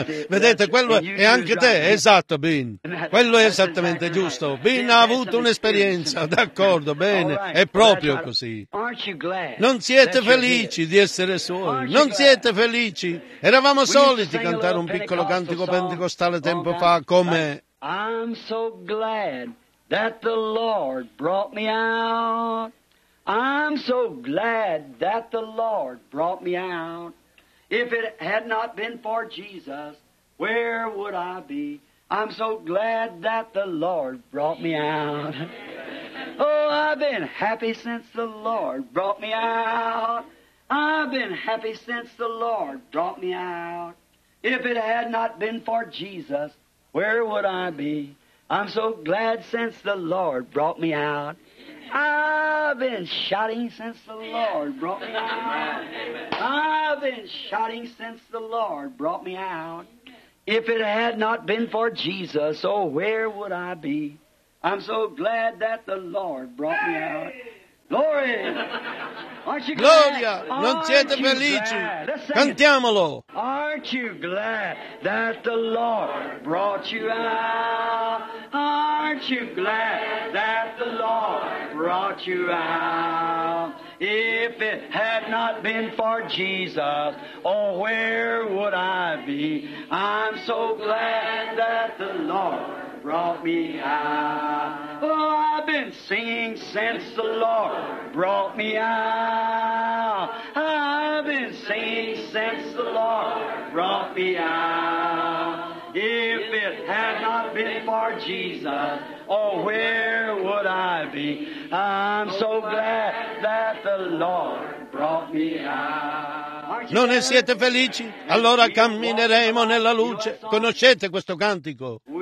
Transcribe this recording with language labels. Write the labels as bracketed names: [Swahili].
[Italian] Vedete, quello è anche te. Esatto, Bin. Quello è esattamente giusto. Bin ha avuto un'esperienza. D'accordo, bene. È proprio così. Non siete felici di essere suoi? Non siete felici? Eravamo soliti cantare un piccolo cantico pentecostale tempo fa come... [English] I'm so glad that the Lord brought me out. I'm so glad that the Lord brought me out. If it had not been for Jesus, where would I be? I'm so glad that the Lord brought me out. Oh, I've been happy since the Lord brought me out. I've been happy since the Lord brought me out. If it had not been for Jesus, where would I be? I'm so glad since the Lord brought me out. I've been shouting since the Lord brought me out. I've been shouting since the Lord brought me out. If it had not been for Jesus, oh, where would I be? I'm so glad that the Lord brought me out. Glory. [Italian] Gloria, non siete felici? Cantiamolo. [English] Aren't you glad that the Lord brought you out? Aren't you glad that the Lord brought you out? If it had not been for Jesus, oh, where would I be? I'm so glad that the Lord brought me out. Oh, I've been singing since the Lord brought me out. I've been singing since the Lord brought me out. If it had not been for Jesus, oh, where would I be? I'm so glad that the Lord brought me out. [Italian] Non ne siete felici? Allora cammineremo nella luce. Conoscete questo cantico?